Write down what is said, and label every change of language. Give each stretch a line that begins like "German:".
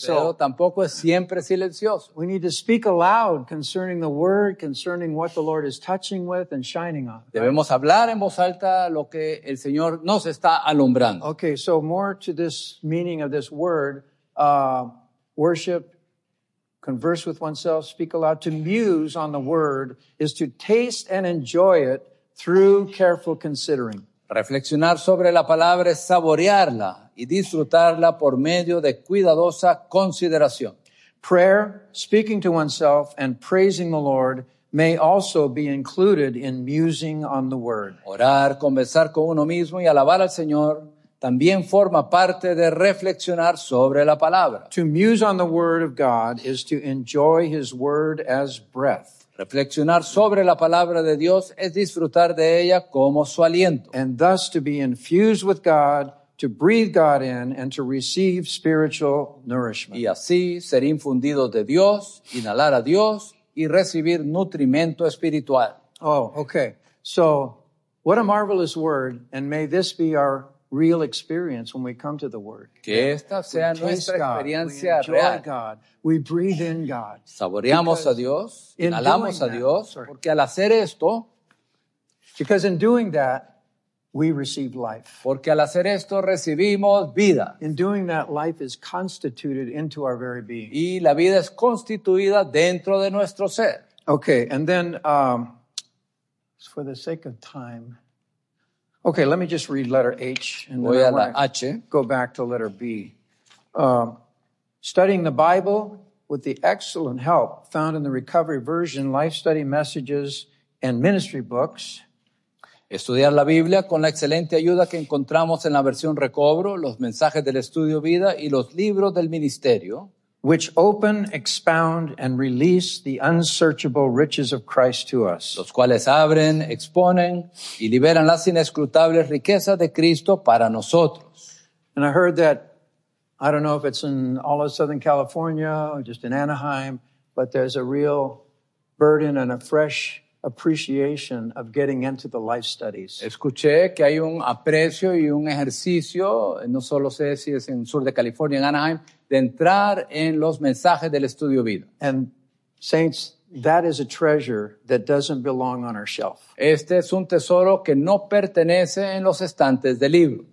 Spanish: Pero tampoco es siempre silencioso.
English: We need to speak aloud concerning the word, concerning what the Lord is touching with and shining on.
Spanish: Debemos hablar en voz alta lo que el Señor nos está alumbrando.
English: Okay, so more to this meaning of this word, worship, converse with oneself, speak aloud. To muse on the word is to taste and enjoy it through careful considering.
Spanish: Reflexionar sobre la palabra es saborearla y disfrutarla por medio de cuidadosa consideración.
English: Prayer, speaking to oneself and praising the Lord may also be included in musing on the word.
Spanish: Orar, conversar con uno mismo y alabar al Señor también forma parte de reflexionar sobre la palabra.
English: To muse on the word of God is to enjoy his word as breath.
Spanish: Reflexionar sobre la palabra de Dios es disfrutar de ella como su aliento.
English: And thus to be infused with God, to breathe God in, and to receive spiritual nourishment.
Spanish: Y así ser infundido de Dios, inhalar a Dios y recibir nutrimento espiritual.
English: Oh, okay. So, what a marvelous word, and may this be our real experience when we come to the word.
Spanish: Que esta sea nuestra experiencia real.
English: We enjoy God. We breathe in God.
Spanish: Saboreamos a Dios. Inhalamos a Dios. Porque al hacer esto.
English: Because in doing that, we receive life.
Spanish: Porque al hacer esto, recibimos vida.
English: In doing that, life is constituted into our very being.
Spanish: Y la vida es constituida dentro de nuestro ser.
English: Okay, and then, for the sake of time. Okay, let me just read letter H and then
Spanish: voy a
English: I
Spanish: la
English: want to H. Go back to letter B. Studying the Bible with the excellent help found in the Recovery Version Life Study Messages and Ministry Books.
Spanish: Estudiar la Biblia con la excelente ayuda que encontramos en la versión Recobro, los mensajes del Estudio Vida y los libros del Ministerio.
English: Which open, expound, and release the unsearchable riches of Christ to us.
Spanish: Los cuales abren, exponen y liberan las inescrutables riquezas de Cristo para nosotros.
English: And I heard that, I don't know if it's in all of Southern California or just in Anaheim, but there's a real burden and a fresh appreciation of getting into the life studies.
Spanish: Escuché que hay un aprecio y un ejercicio, no solo sé si es en sur de California, en Anaheim, de entrar en los mensajes del Estudio Vida.
English: And saints, that is a treasure that doesn't belong on our shelf.
Spanish: Este es un tesoro que no pertenece en los estantes del libro.